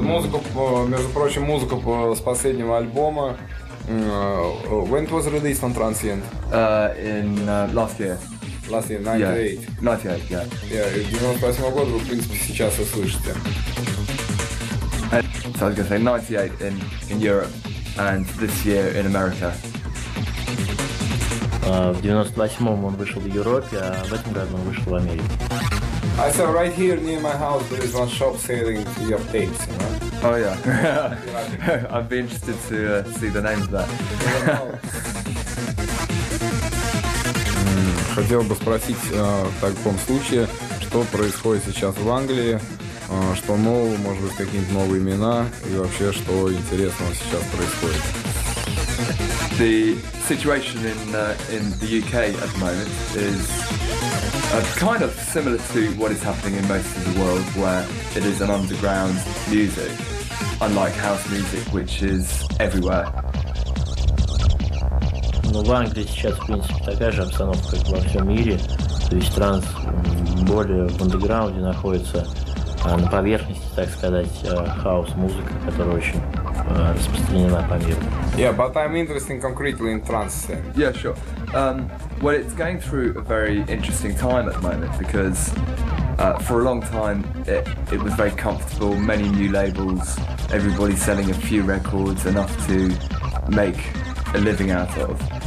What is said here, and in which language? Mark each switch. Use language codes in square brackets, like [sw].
[ru] музыку, между прочим, музыку с последнего альбома. [en] When it was released on Transient? Last year. Last year, 98. Yeah. 98, yeah. [ru] Yeah, 98 года вы, в принципе, сейчас и слышите. [en] So I was going to say 98 in Europe and this year in America. [ru] В 98 он вышел в Европе, а в этом году он вышел в Америке. [en] I saw right here near my house there is one shop selling your tapes, you know? Oh yeah, I'd be interested to see the name of that. [ru] Хотел бы спросить в таком случае, что происходит сейчас в Англии, что нового, может быть, какие-нибудь новые имена, и вообще, что интересного сейчас происходит. [en] The situation in the UK at the moment is kind of similar to what is happening in most of the world, where it is an underground music. Unlike house music, which is everywhere. [ru] Ну, в Англии сейчас, в принципе, такая же обстановка, как во всем мире. То есть транс более в андеграунде находится, на поверхности, так сказать, хаус-музыка, которая очень распространена по миру. [en] Yeah, but I'm interested concretely in trance. Yeah, sure. Well, it's going through a very interesting time at the moment, because for a long time it was very comfortable, many new labels, everybody selling a few records, enough to make a living out of.